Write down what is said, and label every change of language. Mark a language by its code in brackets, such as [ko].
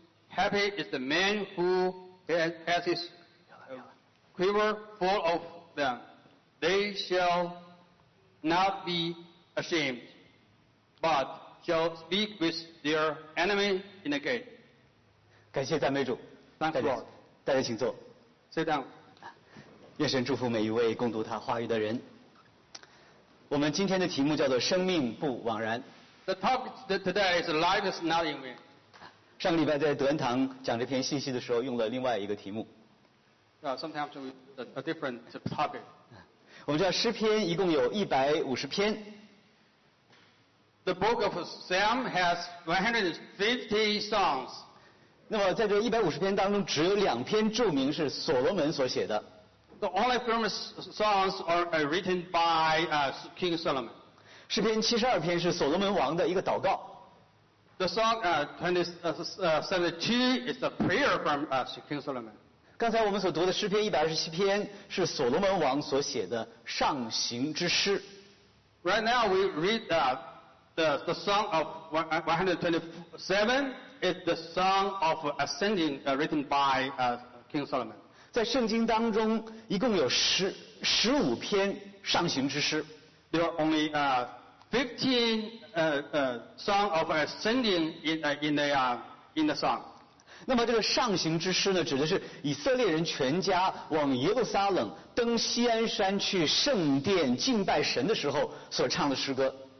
[en] Happy is the man who has his quiver full of them. They shall not be ashamed, but shall speak with their enemy in the gate. [zh] 感谢赞美主。 [en] Thank you, Lord. [zh] 大家请坐。 [en] Sit down. [zh] 愿神祝福每一位共读他话语的人。我们今天的题目叫做生命不枉然。 [en] The topic today is life is not in vain. [zh] 上个礼拜在德恩堂讲这篇信息的时候用了另外一个题目。 [en] Sometimes we use a different topic. [zh] 我们知道诗篇一共有150篇。 [en] The book of Psalm has 150 songs. [zh] 那么在这150篇当中只有2篇著名是所罗门所写的。 [en] The only famous songs are written by King Solomon. [zh] 诗篇72篇是所罗门王的一个祷告。 [en] The song 72 is a prayer from King Solomon. [zh] 刚才我们所读的诗篇127篇是所罗门王所写的上行之诗。 [en] Right now we read the song of 127 is the song of ascending written by King Solomon. [zh] 在圣经当中一共有15篇上行之诗。 [en] There are only 15 song of ascending in the song. [zh] 那么这个上行之诗呢，指的是以色列人全家往耶路撒冷登锡安山去圣殿敬拜神的时候所唱的诗歌。